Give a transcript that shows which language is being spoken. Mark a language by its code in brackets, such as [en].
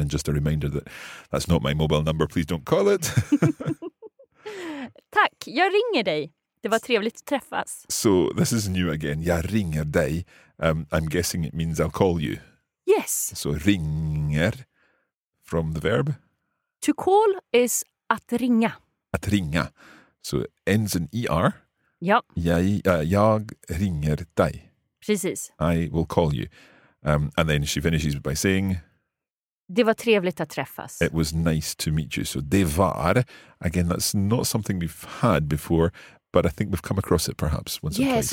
[en] And just a reminder that that's not my mobile number. Please don't call it. [sv] Tack, jag ringer dig. Det var trevligt att träffas. [en] So this is new again. [sv] Jag ringer dig. [en] I'm guessing it means I'll call you. Yes. So ringer from the verb. To call is att ringa. Att ringa. So ends in er. [sv] Ja. Jag ringer dig. Precis. [en] I will call you. And then she finishes by saying... [sv] Det var trevligt att träffas. [en] It was nice to meet you. So det var, again, that's not something we've had before, but I think we've come across it perhaps once or twice.